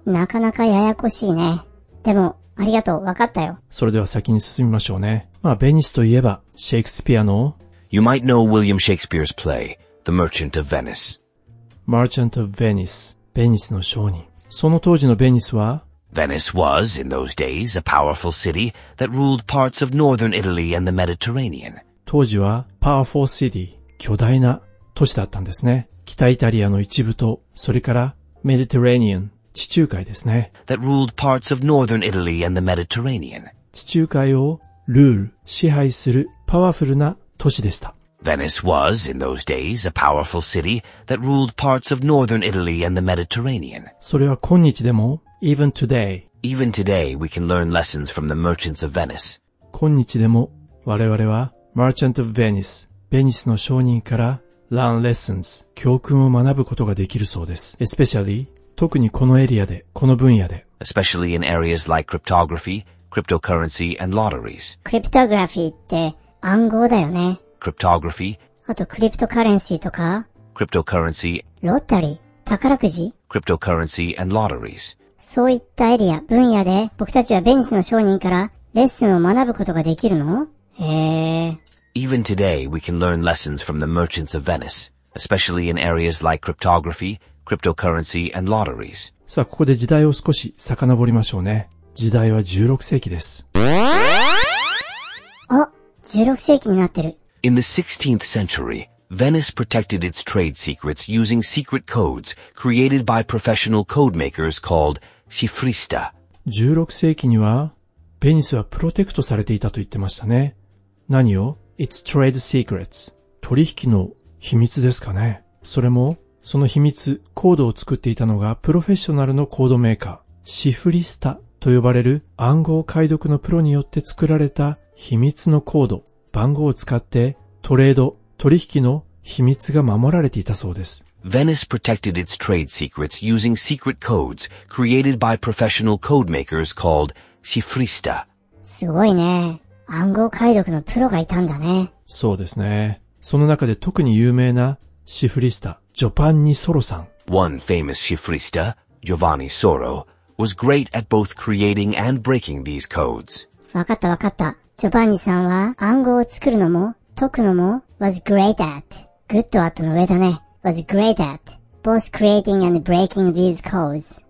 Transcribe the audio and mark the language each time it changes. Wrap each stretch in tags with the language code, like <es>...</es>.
<ja>なかなかややこしいね。でもありがとう、わかったよ。それでは先に進みましょうね。まあベニスといえばシェイクスピアの</ja> <en>You might know William Shakespeare's play The Merchant of Venice。</en> <ja>Merchant of Venice、 ベニスの商人。その当時のベニスは、</ja> <en>Venice was, in those days, a powerful city that ruled parts of northern Italy and the Mediterranean.</en> <ja>当時は</ja> <en>powerful city、</en> <ja>巨大な都市だったんですね。北イタリアの一部と、それから Mediterranean、 地中海ですね。</ja> <en>That ruled parts of northern Italy and the Mediterranean.</en> <ja>地中海をルール、支配するパワフルな都市でした。</ja> <en>Venice was, in those days, a powerful city that ruled parts of northern Italy and the Mediterranean.</en> <ja>それは今日でも、</ja> <en>Even today, even today we can learn lessons from the merchants of Venice.</en> <ja>今日でも我々は Merchant of Venice、 ベニスの商人から</ja> <en>learn lessons</en> <ja>教訓を学ぶことができるそうです。 Especially 特にこのエリアで、この分野で。</ja> <en>Especially in areas like cryptography, cryptocurrency and lotteries.</en> <ja>Cryptography って暗号だよね。</ja> <en>Cryptography</en> <ja>あとクリプトカレンシーとか。</ja> <en>Cryptocurrency</en> <ja>ロッタリー宝くじ。</ja> <en>Cryptocurrency and lotteries</en> <ja>そういったエリア、分野で僕たちはベニスの商人からレッスンを学ぶことができるの？へぇ。</ja> <en>Even today, we can learn lessons from the merchants of Venice, especially in areas like cryptography, cryptocurrency, and lotteries.</en> <ja>さあ、ここで時代を少し遡りましょうね。時代は16世紀です。あ、16世紀になってる。</ja> <en>In the 16th century, Venice protected its trade secrets using secret codes created by professional code makers called cifrista.</en> <ja>16世紀には、ベニスはプロテクトされていたと言ってましたね。何を？</ja> <en>It's trade secrets.</en> <ja>取引の秘密ですかね。それも、その秘密、コードを作っていたのが、プロフェッショナルのコードメーカー、シフリスタと呼ばれる暗号解読のプロによって作られた秘密のコード、番号を使って、トレード、取引の秘密が守られていたそうです。</ja> <en>Venice protected its trade secrets using secret codes created by professional code makers called シフリスタ。</en> <ja>すごいね。暗号解読のプロがいたんだね。そうですね。その中で特に有名なシフリスタ、ジョパンニ・ソロさん。</ja> <en>One famous shifrista, Giovanni Soro, was great at both creating and breaking these codes.</en> <ja>わかったわかった。ジョパンニさんは暗号を作るのも、解くのも、</ja> <en>was great at。 good at</en> <ja>の上だね。</ja> <en>was great at both creating and breaking these codes。</en>